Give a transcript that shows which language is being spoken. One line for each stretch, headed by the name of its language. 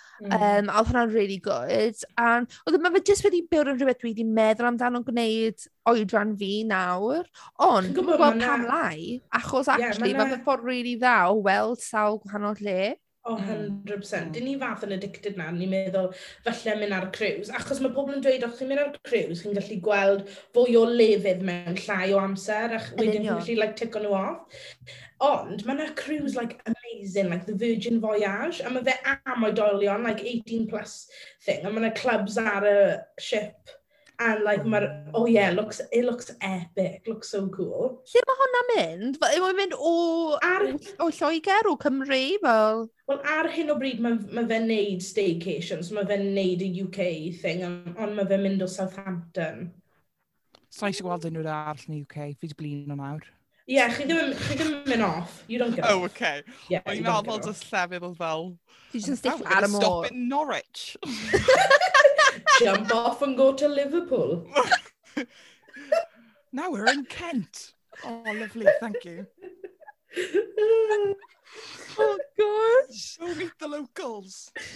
Welsh: Oedd hwnna'n really good. Oedd yma fe jyst wedi byw yn rhywbeth dwi wedi meddwl amdano'n gwneud oedran fi nawr. Ond, dwi'n gweld pam lai, achos actually, mae fe ffordd really dda o weld sawl gwahanol lle. O, 100%. Dyn ni fath yn addicted na, ni'n meddwl, falle mynd ar cruise. Achos mae pobl yn dweud, os chi'n mynd ar cruise, chi'n gallu gweld fwy o lefydd mewn llai o amser, ac wedyn chi'n gallu, like, tic o'n nhw off. Ond, mae yna cruise, like, amazing, like, the Virgin Voyage, a mae fe am oedolion, like, 18 plus thing, a mae yna clubs ar y ship, and, like, mae'r,
English: oh yeah, looks, it looks epic, looks so cool.
Welsh: Lle mae hwnna mynd? Mae'n mynd o, ar... o Lloegr, o Cymru, fel... Wel, ar hyn o bryd, mae fe'n neud staycations, mae fe'n neud y UK thing, ond mae fe'n mynd o Southampton.
English: It's nice to
Welsh: gweld unrhyw arall yn y UK, fi di blin o nawr. Ie, chi ddim yn mynd off,
English: you don't get off. Oh, OK.
Welsh: Yeah, mae'n meddwl bod y llefydd fel...
English: You just stick at a stop in Norwich. Jump off and go to Liverpool. Now we're in Kent. Oh, lovely, thank you. Oh, gosh. Go meet the locals.